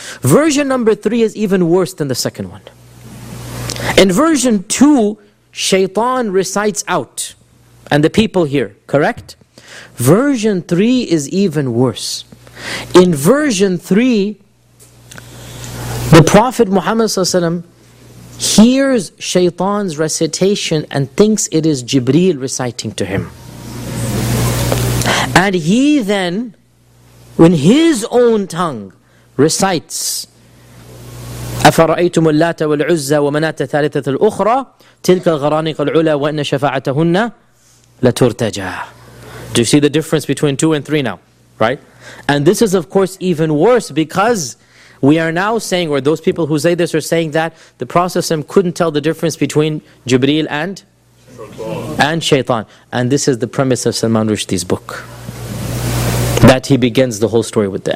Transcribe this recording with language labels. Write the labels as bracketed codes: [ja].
[en] Version number three is even worse than the second one. In version two, shaitan recites out, and the people hear, correct? Version three is even worse. In version three, the Prophet Muhammad ﷺ hears Shaytan's recitation and thinks it is Jibreel reciting to him. And he then, in his own tongue, recites, [ar] أَفَرَأَيْتُمُ اللَّاتَ وَالْعُزَّى وَمَنَاتَ ثَالِثَةَ الْأُخْرَى تِلْكَ الْغَرَانِقَ الْعُلَى وَإِنَّ شَفَاعَتَهُنَّ لَتُرْتَجَى. [en] Do you see the difference between 2 and 3 now? Right? And this is of course even worse, because we are now saying, or those people who say this are saying, that the Prophet ﷺ couldn't tell the difference between Jibreel and Shaytan. And this is the premise of Salman Rushdie's book. That he begins the whole story with that.